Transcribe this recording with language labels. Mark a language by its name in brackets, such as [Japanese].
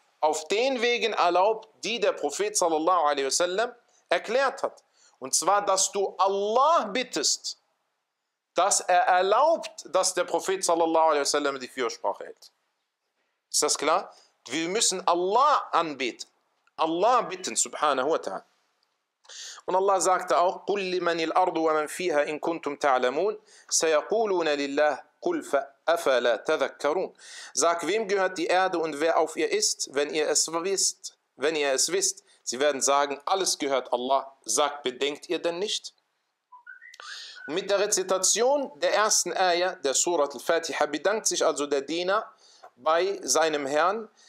[German] auf den Wegen erlaubt, die der Prophet sallallahu alaihi wasallam erklärt hat. Und zwar, dass du Allah bittest, dass er erlaubt, dass der Prophet sallallahu alaihi wasallam die Fürsprache hält. Ist das klar? Wir müssen Allah anbeten. Allah bitten, subhanahu wa ta'ala. Und Allah sagte auch, [Arabic] قُلْ لِمَنِ الْأَرْضُ وَمَنْ فِيهَا إِن كُنْتُمْ تَعْلَمُونَ سَيَقُولُونَ لِلَّهِ قُلْ فَأَفَلَا تَذَكَّرُونَ. [German] Sag, wem gehört die Erde und wer auf ihr ist, wenn ihr es wisst. Wenn ihr es wisst, sie werden sagen, alles gehört Allah. Sag, bedenkt ihr denn nicht? Und mit der Rezitation der ersten Ayah der Surat al-Fatiha bedankt sich also der Diener bei seinem Herrn.